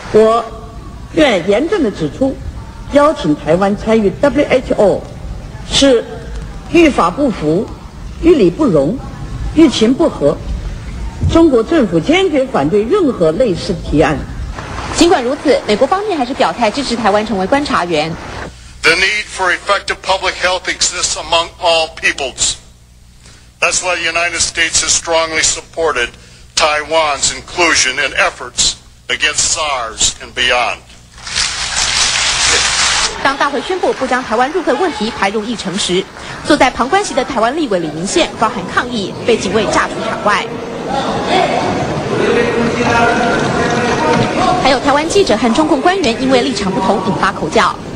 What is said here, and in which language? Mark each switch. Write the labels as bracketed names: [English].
[Chinese] 我愿严正地指出，邀请台湾参与 WHO 是于法不符、于理不容、于情不合，中国政府坚决反对任何类似提案。尽管如此，美国方面还是表态支持台湾成为观察员。 [English] The need for effective public health exists among all peoples. That's why the United States has strongly supported Taiwan's inclusion in efforts against SARS and beyond. [Chinese] 当大会宣布不将台湾入会问题排入议程时，坐在旁观席的台湾立委李明宪高喊抗议，被警卫架出场外。还有台湾记者和中共官员因为立场不同引发口角。